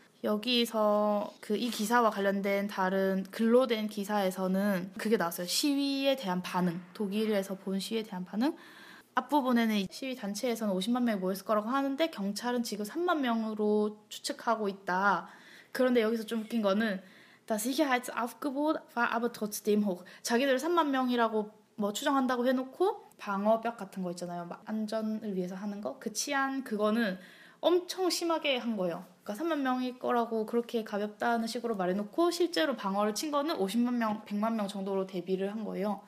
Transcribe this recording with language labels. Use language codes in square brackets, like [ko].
[ko] 여기서 그 이 기사와 관련된 다른 글로 된 기사에서는 그게 나왔어요. 시위에 대한 반응, 독일에서 본 시위에 대한 반응. 앞부분에는 시위 단체에서는 50만 명이 모였을 거라고 하는데 경찰은 지금 3만 명으로 추측하고 있다. 그런데 여기서 좀 웃긴 거는 [de] Das Sicherheitsaufgebot war aber trotzdem hoch. [ko] 자기들 3만 명이라고 뭐 추정한다고 해놓고 방어벽 같은 거 있잖아요. 안전을 위해서 하는 거. 그 치안 그거는 엄청 심하게 한 거예요. 그러니까 3만 명일 거라고 그렇게 가볍다는 식으로 말해놓고 실제로 방어를 친 거는 50만 명, 100만 명 정도로 대비를 한 거예요.